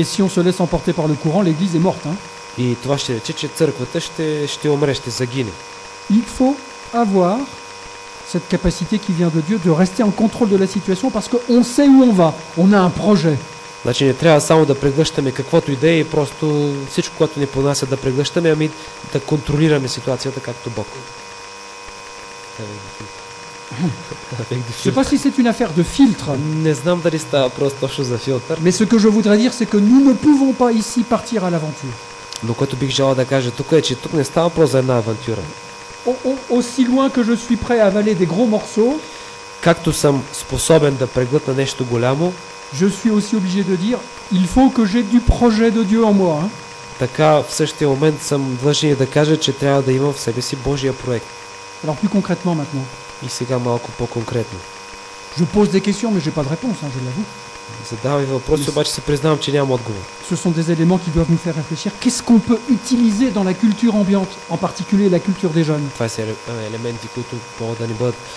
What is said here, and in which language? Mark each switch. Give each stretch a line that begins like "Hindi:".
French: Et si on se laisse emporter par le courant, l'église est morte, hein?
Bulgarian: И това ще рече, че църквата ще умре, ще загине.
French: Il faut avoir cette capacité qui vient de Dieu de rester en contrôle de la situation parce que on sait où on va, on a un projet.
Bulgarian: Значи не трябва само да преглъщаме каквото идея и просто всичко, което ни понася да преглъщаме, ами да контролираме ситуацията както Бог.
French: Je sais pas si c'est une affaire de filtre.
Bulgarian: Не знам дали става просто точно за филтър.
French: Mais ce que je voudrais dire, c'est que nous ne pouvons pas ici partir à l'aventure.
Bulgarian: Но което бих желал да кажа тук е, че тук не става просто една авантюра.
French: Aussi loin que je suis prêt à avaler des gros morceaux,
Bulgarian: както съм способен да преглътна нещо голямо,
French: je suis aussi obligé de dire, il faut que j'ai du projet de Dieu en moi.
Bulgarian: Така в същия момент съм длъжен да кажа, че трябва да имам в себе си Божия проект.
French: Alors plus concrètement maintenant.
Bulgarian: И сега малко по-конкретно.
French: Je pose des questions mais j'ai pas de réponse, hein, je l'avoue.
Bulgarian: Задавам въпроси, обаче се признавам, че нямам отговор.
French: Ce sont des éléments qui doivent nous faire réfléchir. Qu'est-ce qu'on peut utiliser dans la culture ambiante, en particulier la culture des jeunes?
Bulgarian: Това са елементи, които могат да ни бъдат.